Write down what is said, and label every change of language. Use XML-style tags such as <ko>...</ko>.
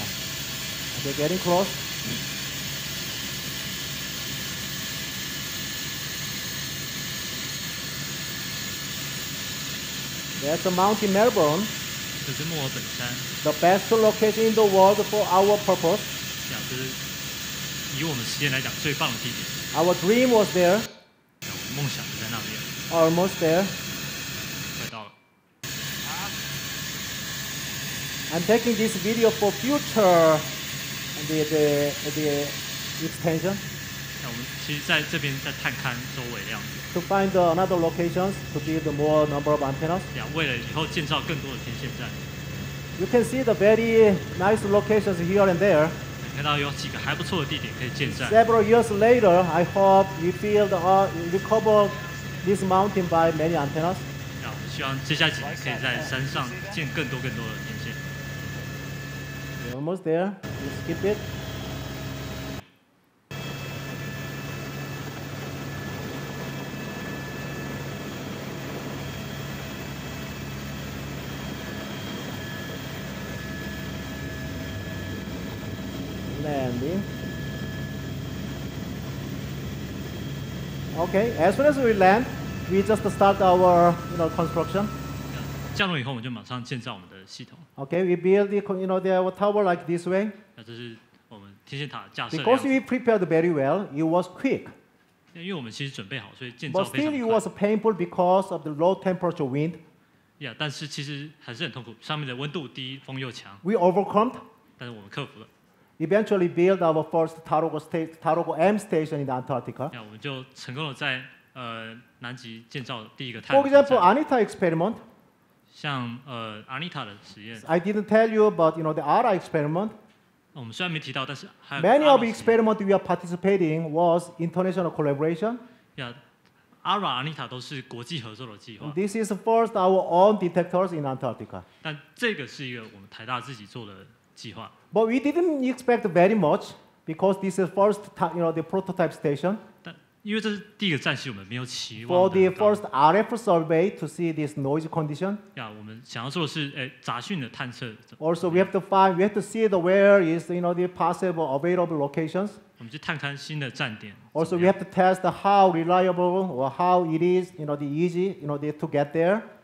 <en>Okay, getting close. That's the Mount Melbourne.</en> <zh>这是墨尔本山。</zh> <en>The best location in the world for our purpose.</en> <zh>这是以我们实验来讲最棒的地点。</zh> <en>Our dream was there.</en> <zh>我们梦想就在那边。</zh> <en>Almost there.</en> <zh>快到了。</zh> <en>I'm taking this video for future the extension.</en> <zh>我们其实在这边在探勘周围的样子。</zh> <en>To find another locations to build more number of antennas.</en> <zh>为了以后建造更多的天线站。</zh> <en>You can see the very nice locations here and there.</en> <zh>看到有几个还不错的地点可以建站。</zh> <en>Several years later, I hope we build or recover this mountain by many antennas.</en> <zh>希望接下来可以在山上建更多的天线。</zh> <en>We're almost there. You skip it. Okay. As soon as we land, we just start our construction.</en> <zh>降落以后，我们就马上建造我们的系统。</zh> <en>Okay, we build our tower like this way.</en> <zh>那这是我们天线塔架设的样子。</zh> <en>Because we prepared very well, it was quick.</en> <zh>因为我们其实准备好，所以建造非常快。</zh> <en>But still, it was painful because of the low temperature wind.</en> <zh>但是其实还是很痛苦，上面的温度低，风又强。</zh> <en>We overcome.</en> <zh>但是我们克服了。</zh> <en>Eventually, build our first TAROGE M station in Antarctica.</en> <zh>我们就成功了在南极建造第一个探测站。</zh> <en>For example, ANITA experiment.</en> <zh>像ANITA 的实验。</zh> <en>I didn't tell you, but the ARA experiment.</en> <zh>我们虽然没提到，但是还有</zh> <en>many of experiment we are participating was international collaboration.</en> <zh>ARA ANITA 都是国际合作的计划。</zh> <en>This is first our own detectors in Antarctica.</en> <zh>但这个是一个我们台大自己做的。</zh> <en>But we didn't expect very much because this is first, the prototype station.</en> <zh>但因为这是第一个站系，我们没有期望。</zh> <en>For the first RF survey to see this noise condition.</en> <zh>我们想要做的是杂讯的探测。</zh> <en>Also, we have to find, we have to see the where is, the possible available locations.</en> <zh>我们去探勘新的站点。</zh> <en>Also, we have to test how reliable or how it is, the easy, to get there.</en>